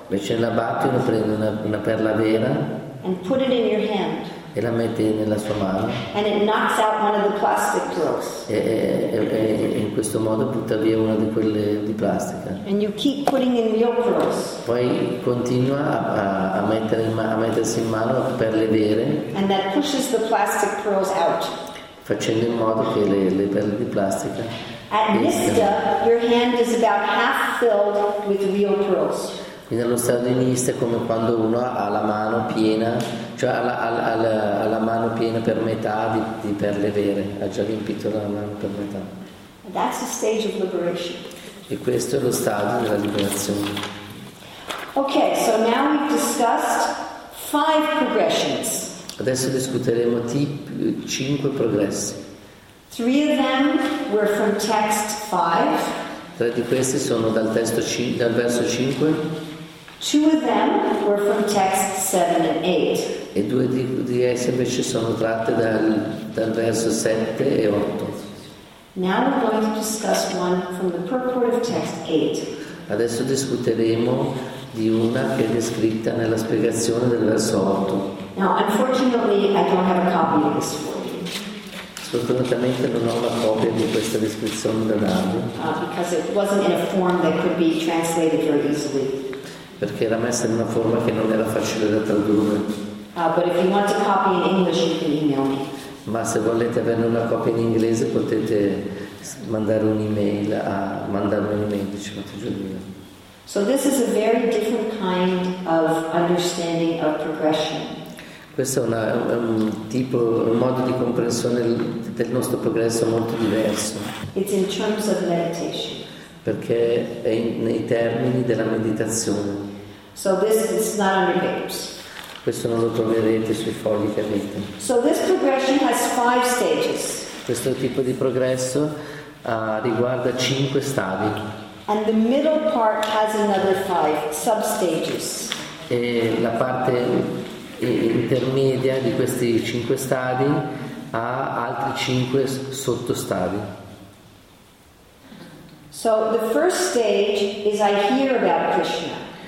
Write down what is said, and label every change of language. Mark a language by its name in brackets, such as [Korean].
[Italian] Invece nella bhakti uno prende una perla vera [English] and put it in your hand. [Italian] E la mette nella sua mano. [English] And it knocks out one of the plastic pearls. [Italian] E in questo modo butta via una di quelle di plastica. [English] And you keep putting in real pearls. [Italian] Poi continua a mettersi in mano perle vere. [English] And that pushes the plastic pearls out. [Italian] Facendo in modo che le perle di plastica. [English] At Nista, your hand is about half filled with real pearls. [Italian] Quindi allo stato di Nista è come quando uno ha la mano piena, cioè ha la mano piena per metà di perle vere, ha già riempito la mano per metà. [English] That's the stage of liberation. [Italian] E questo è lo stato della liberazione. [English] Ok, so now we've discussed five progressions. [Italian] Adesso discuteremo cinque progressi. [English] Three of them were from text 5. [Italian] Tre di questi sono dal verso 5. [English] Two of them were from text 7 and 8. [Italian] E due di esse invece sono tratte dal verso 7 e 8. [English] Now we're going to discuss one from the purport of text 8. [Italian] Adesso discuteremo di una che è descritta nella spiegazione del verso 8. [English] Now, unfortunately, I don't have a copy of this for you. [Italian] Sfortunatamente non ho la copia di questa descrizione da darvi. [English] Because it wasn't in a form that could be translated very easily. [Italian] Perché era messa in una forma che non era facile da tradurre. [English] But if you want to copy in English, you can email me. [Italian] Ma se volete avere una copia in inglese potete mandarmi un'email, dice Mata Jurmila. [English] So this is a very different kind of understanding of progression. [Italian] Questo è un modo di comprensione del nostro progresso molto diverso. [English] It's in terms of meditation. [Italian] Perché è nei termini della meditazione. [English] So this is not on your papers. [Italian] Questo non lo troverete sui fogli che avete. [English] So this progression has five stages. [Italian] Questo tipo di progresso riguarda cinque stadi. [English] And the middle part has another five sub-stages. [Italian] E la parte intermedia di questi cinque stadi ha altri cinque sottostadi. [English] So the first stage is I hear about Krishna.